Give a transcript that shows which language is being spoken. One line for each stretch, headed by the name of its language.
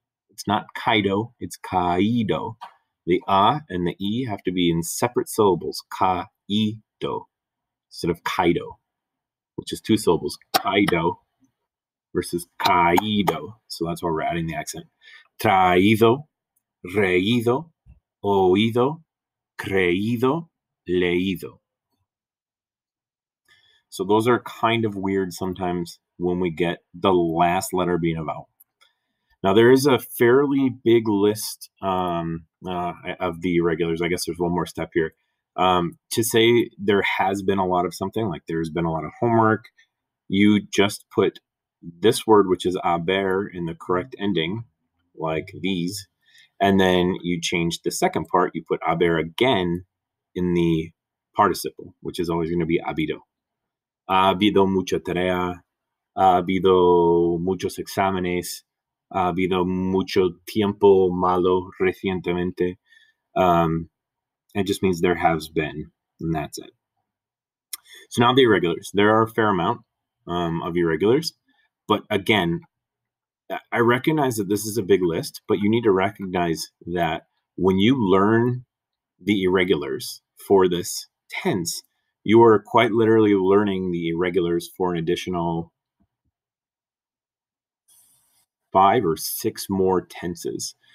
English: It's not caído, it's caído. The A and the E have to be in separate syllables. Caído instead of caído, which is two syllables. Caído versus caído. So that's why we're adding the accent.
Spanish: Traído, reído, oído, creído, leído.
English: So those are kind of weird sometimes when we get the last letter being a vowel. Now, there is a fairly big list of the irregulars. I guess there's one more step here. To say there has been a lot of something, like there's been a lot of homework, you just put this word, which is haber, in the correct ending, like these, and then you change the second part. You put haber again in the participle, which is always going to be habido.
Spanish: Ha habido mucha tarea. Ha habido muchos exámenes. Ha habido mucho tiempo malo recientemente.
English: It just means there has been, and that's it. So now the irregulars. There are a fair amount of irregulars, but again, I recognize that this is a big list, but you need to recognize that when you learn the irregulars for this tense, you are quite literally learning the irregulars for an additional 5 or 6 more tenses.